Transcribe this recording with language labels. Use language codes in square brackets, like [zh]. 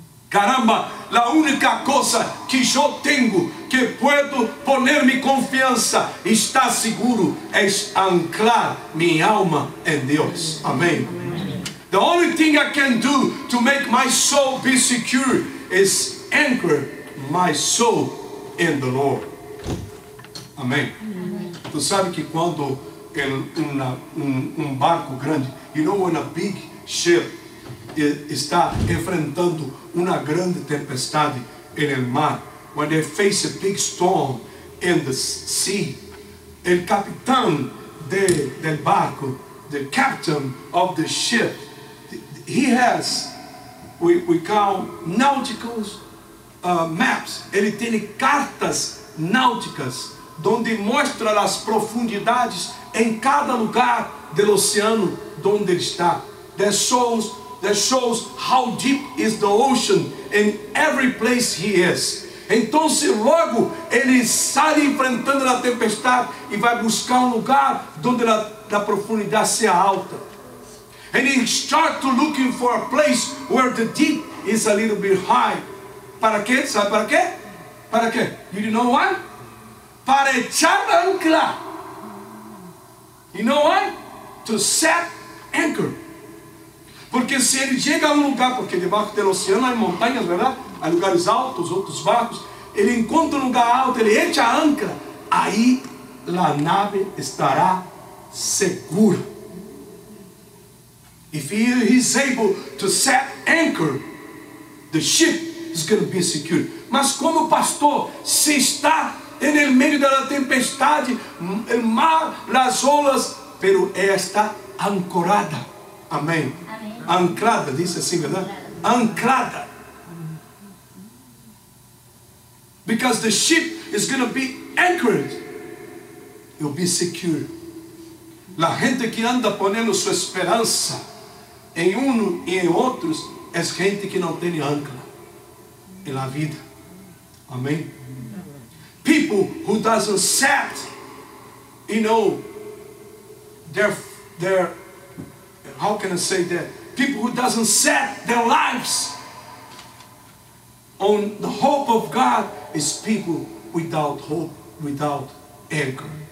[es] Caramba, la única cosa que yo tengo que puedo poner mi confianza y estar seguro es anclar mi alma en Dios. Amén. [en] The only thing I can do to make my soul be secure is anchor my soul in the Lord. [es] Amén. Tú sabes que cuando en un barco grande, [en] you know when a big ship [es] está enfrentando una grande tempestade en el mar, [en] when they face a big storm in the sea, [es] el capitán del barco, [en] the captain of the ship, he has, we call nautical [pt] maps, ele tem cartas náuticas donde mostra as profundidades em cada lugar do oceano onde ele está. [en] That shows how deep is the ocean in every place he is. [pt] Então, logo ele sai enfrentando a tempestade e vai buscar um lugar onde a profundidade seja alta. [en] And he starts looking for a place where the deep is a little bit high. [pt] Para quê? Sabe para quê? Para quê? [en] You know why? [es] Para echar a ancla. [en] You know why? To set anchor. [pt] Porque se ele chega a um lugar, porque debaixo do oceano há montanhas, verdade? Há lugares altos, outros barcos. Ele encontra um lugar alto, ele enche a âncora. Aí a nave estará segura. [en] If he is able to set anchor, the ship is going to be secure. [pt] Mas como pastor, se está em meio da tempestade, em mar, nas olas, pero está ancorada. Amém. Amém. Ancrada, disse assim, verdade? Amém. Ancrada. [en] Because the ship is going to be anchored, you'll be secure. [pt] La gente que anda ponendo sua esperança em um e em outros, é gente que não tem âncora em la vida. Amém? [en] People who doesn't set, you know, their how can I say that? People who doesn't set their lives on the hope of God is people without hope, without anchor.